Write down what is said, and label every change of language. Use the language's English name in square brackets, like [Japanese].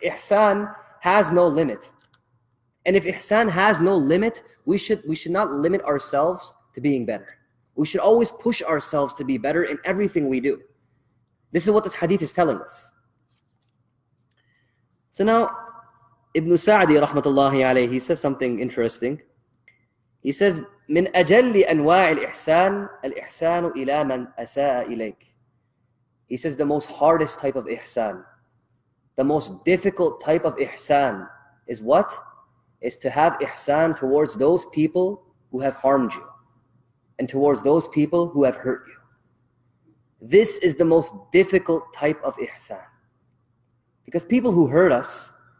[English] Ihsan has no limit. And if ihsan has no limit, we should not limit ourselves to being better. We should always push ourselves to be better in everything we do. This is what this hadith is telling us. So now, Ibn Sa'di rahmatullahi alayhi, he says something interesting. He says, [Arabic] مِنْ أَجَلِّ أَنْوَاعِ الْإِحْسَانِ الْإِحْسَانُ إِلَى مَنْ أَسَاءَ إِلَيْكَ. [English] He says the most hardest type of ihsan, the most difficult type of ihsan is what? Is to have ihsan towards those people who have harmed you and towards those people who have hurt you. This is the most difficult type of ihsan. Because people who hurt us,